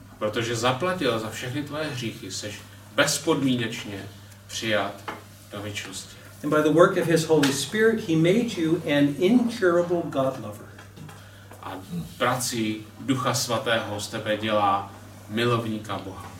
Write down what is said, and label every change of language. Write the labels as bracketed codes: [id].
[cs] Protože zaplatil za všechny tvoje hříchy, seš bezpodmínečně přijat do věčnosti. [en] And by the work of his Holy Spirit, he made you an incurable God lover. [cs] A prací Ducha Svatého z tebe dělá milovníka Boha.